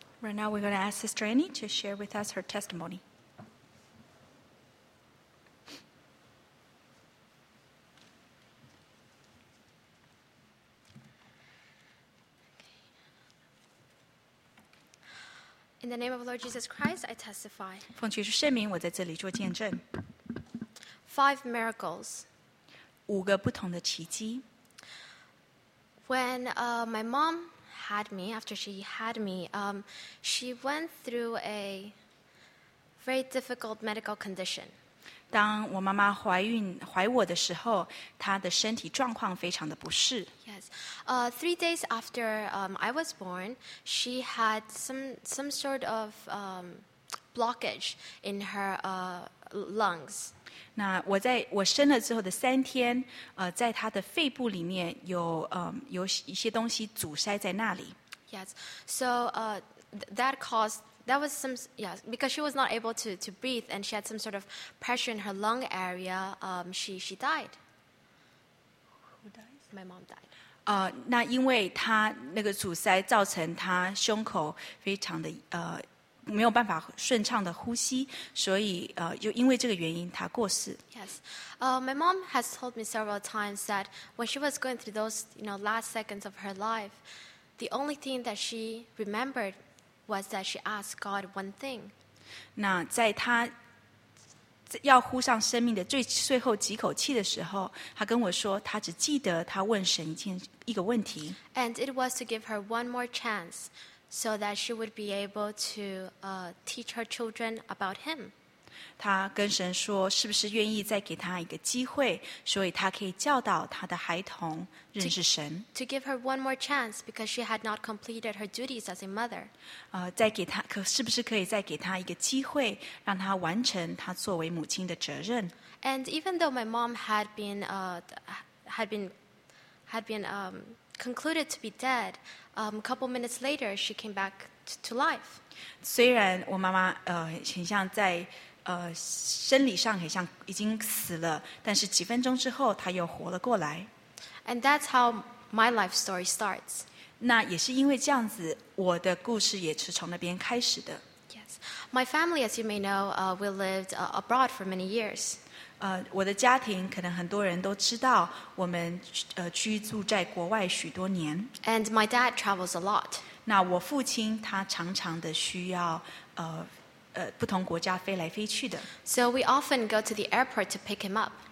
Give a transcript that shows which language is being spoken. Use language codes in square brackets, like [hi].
[en] Right now, we're going to ask Sister Annie to share with us her testimony. In the name of Lord Jesus Christ, I testify. [zh] 奉主圣名，我在这里做见证。 [en] Five miracles. [zh] 五个不同的奇迹。 [en] When my mom had me, after she had me, she went through a very difficult medical condition. [zh] 当我妈妈怀我的时候，她的身体状况非常的不适。 [en] Yes, three days after I was born, she had some sort of blockage in her lungs. [zh] 那我生了之后的三天，在她的肺部里面有一些东西阻塞在那里。 [en] Yes, so that was some, yes, because she was not able to breathe and she had some sort of pressure in her lung area, she died. Who died? My mom died. [zh] 那因为她那个阻塞造成她胸口非常的没有办法顺畅的呼吸，所以就因为这个原因她过世。 [en] Yes, my mom has told me several times that when she was going through those, you know, last seconds of her life, the only thing that she remembered was that she asked God one thing. [zh] 那在她要呼上生命的最后几口气的时候，她跟我说，她只记得她问神一个问题。 [en] And it was to give her one more chance so that she would be able to teach her children about him. [zh] 她跟神说，是不是愿意再给她一个机会，所以她可以教导她的孩童认识神。 [en] To give her one more chance because she had not completed her duties as a mother. [zh] 再给她，是不是可以再给她一个机会，让她完成她作为母亲的责任。 [en] And even though my mom had been concluded to be dead, couple minutes later she came back to life. [zh] 虽然我妈妈形象在生理上很像已经死了，但是几分钟之后她又活了过来。 [en] And that's how my life story starts. [zh] 那也是因为这样子，我的故事也是从那边开始的。 [en] Yes, my family, as you may know, we lived abroad for many years. [zh] 我的家庭可能很多人都知道，我们居住在国外许多年。 [en] And my dad travels a lot. [zh] 那我父亲他常常的需要不同国家飞来飞去的。 [en] So we often go to the airport to pick him up.